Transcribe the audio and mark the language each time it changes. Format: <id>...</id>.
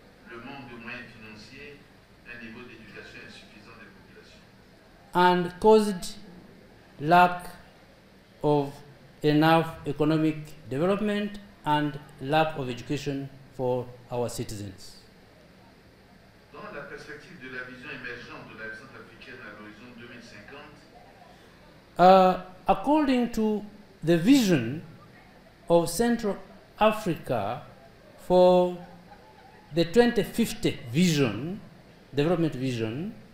<fr>Le manque de moyens financiers, un niveau d'éducation insuffisant des populations.</fr> <en>And caused lack of enough economic development and lack of education for our citizens.</en> <fr>Dans la perspective de la vision émergente de la vision africaine à l'horizon 2050,</fr> <en>according to the vision of Central Africa for the 2050 vision, development vision,</en>